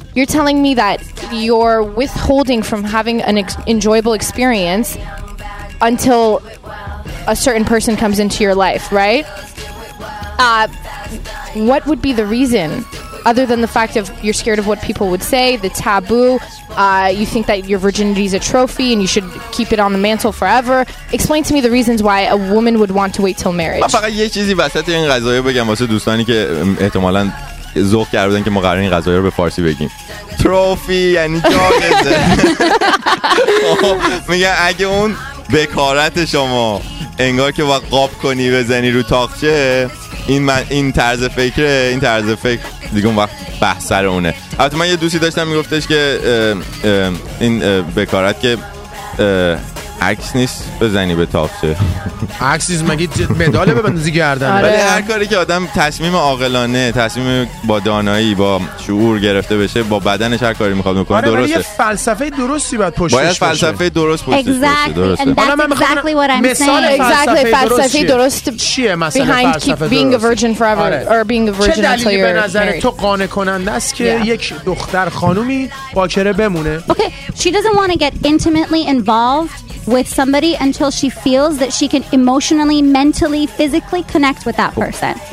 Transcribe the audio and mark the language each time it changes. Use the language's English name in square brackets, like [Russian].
[English] You're telling me that you're withholding from having an enjoyable experience until a certain person comes into your life, right? What would be the reason, other than the fact of you're scared of what people would say, the taboo, you think that your virginity is a trophy and you should keep it on the mantle forever? Explain to me the reasons why a woman would want to wait till marriage. [Persian] من فقط یه چیزی وسط این قضایه بگم واسه دوستانی که احتمالاً ذوق کرده بودن که ما قرار این قضایه رو به فارسی بگیم. تروفی یعنی جاغزه. میگن اگه اون بکارت شما انگار که باید قاب کنی بزنی رو تاخچه، این طرز فکر دیگه اون وقت بحث سر اونه. البته من یه دوستی داشتم میگفتش که این بکارت که عکس نیست بزنی به تافته. عکس نیست مگه مدال ببندی گردن. ولی هر کاری که آدم تصمیم عاقلانه، تصمیم با دانایی، با شعور گرفته بشه، با بدنش هر کاری میخواد بکنه درسته. آره، یه فلسفه درستی باید پشتش باشه. باید فلسفه درست پشتش باشه. درسته. [English] And that's exactly what I'm saying. Exactly. [Persian] فلسفه درست چیه مثلا؟ فلسفه درست [English] behind keep being a virgin forever or being a virgin until you're married. [Persian] چه دلیلی به نظر تو قانع کننده است که یک دختر خانومی باکره بمونه؟ [English] Okay, she doesn't want to get intimately involved with somebody until she feels that she can emotionally, mentally, physically connect with that person.